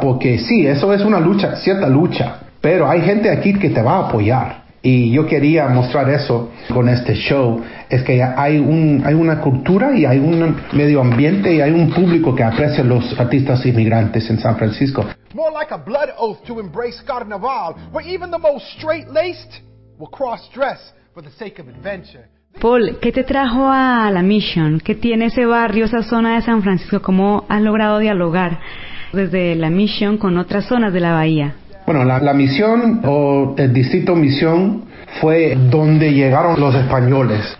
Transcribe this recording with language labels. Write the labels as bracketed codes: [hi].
[es] Porque sí, eso es una lucha, cierta lucha, pero hay gente aquí que te va a apoyar. Y yo quería mostrar eso con este show, es que hay una cultura y hay un medio ambiente y hay un público que aprecia a los artistas inmigrantes en San Francisco. [en] More like a blood oath to embrace carnaval, where even the most straight-laced will cross-dress for the sake of adventure. [es] Paul, ¿qué te trajo a la Mission? ¿Qué tiene ese barrio, esa zona de San Francisco? ¿Cómo has logrado dialogar desde la Mission con otras zonas de la bahía? Bueno, la Misión o el distrito Misión fue donde llegaron los españoles.